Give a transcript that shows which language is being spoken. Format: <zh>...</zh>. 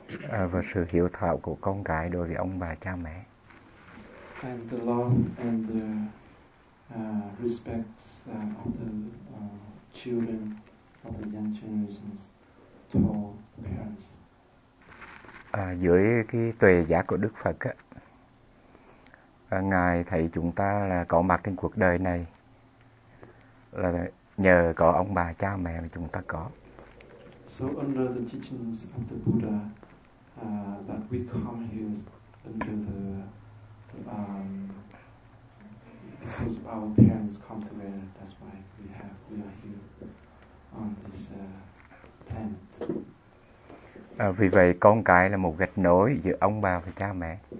<vi>Và sự hiếu thảo của con cái đối với ông bà cha mẹ.</vi> <en>And the love and the respect of the children, of the young generations, toward parents.</en> <vi>Dưới cái tuệ giác của Đức Phật á, ngài thấy chúng ta là có mặt trên cuộc đời này là nhờ có ông bà cha mẹ mà chúng ta có.</vi> <en>So under the teachings of the Buddha, that we come here under the because our parents come together, that's why we are here on this planet.</en> <vi>Vì vậy con cái là một gạch nối giữa ông bà và cha mẹ.</vi>